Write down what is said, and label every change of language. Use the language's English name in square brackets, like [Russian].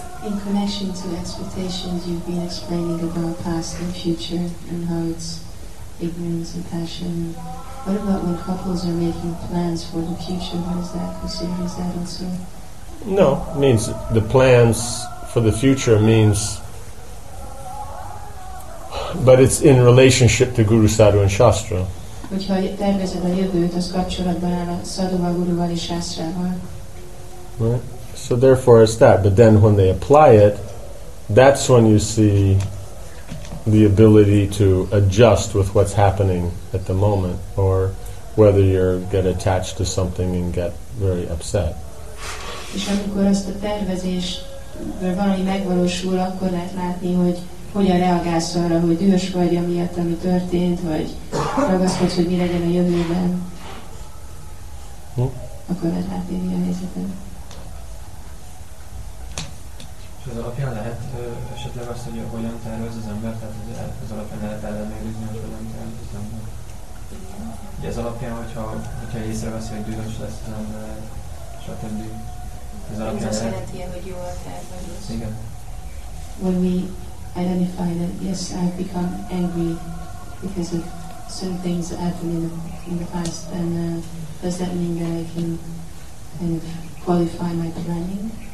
[English] In connection to expectations, you've been explaining about past and future and how it's ignorance and passion. What about when couples are making plans for the future? What is that considered? Is that also? No, it means the plans for the future means, but it's in relationship to Guru, Sadhu, and Shastra. [Hungarian] Hogyha tervezed a jövőt, az kapcsolatban áll a Szadhuval, Guruval és Shastrával. [English] Right. So therefore it's that. But then when they apply it, that's when you see the ability to adjust with what's happening at the moment, or whether you get attached to something and get very upset. [Hungarian] És amikor azt a tervezésből valami megvalósul, akkor lehet látni, hogy hogyan reagálsz arra, hogy dühös vagy amiatt, ami történt, vagy ragaszkodsz, hogy mi legyen a jövőben. Akkor lehet látni, mi a helyzetet. Az alapján lehet esetleg azt, hogy hogyan tervez az ember, tehát az alapján lehet ellenőrizni, hogy hogyan tervez az ember. Ugye az alapján, hogyha észreveszi, hogy dühös lesz az ember, stb. Ez az alapján lehet. Azt jelenti, hogy jól tervezés. Igen. [English] When we identify that, yes, I've become angry because of certain things that happened in the past, then does that mean that I can kind of qualify my planning?